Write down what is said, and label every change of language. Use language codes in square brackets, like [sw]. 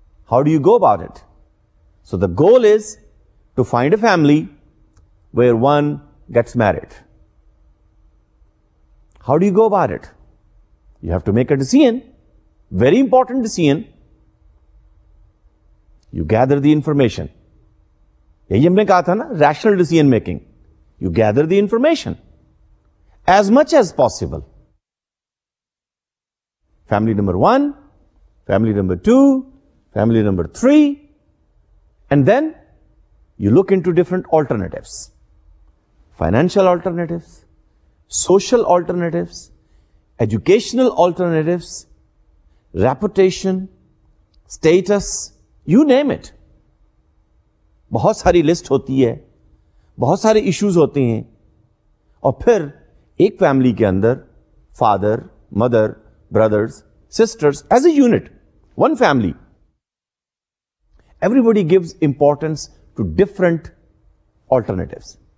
[en] How do you go about it? So the goal is to find a family where one gets married. How do you go about it? You have to make a decision, very important decision. You gather the information. [ur] یہی ہم نے کہا تھا نا, [en] rational decision making. You gather the information as much as possible. Family number one, family number two, family number three, and then you look into different alternatives. Financial alternatives, social alternatives, educational alternatives, reputation, status, You name it. [ur] بہت ساری list ہوتی ہے, بہت سارے issues ہوتے ہیں, اور پھر ایک فیملی کے اندر father, mother, brothers, sisters [en] As a unit, one family, everybody gives importance to different alternatives.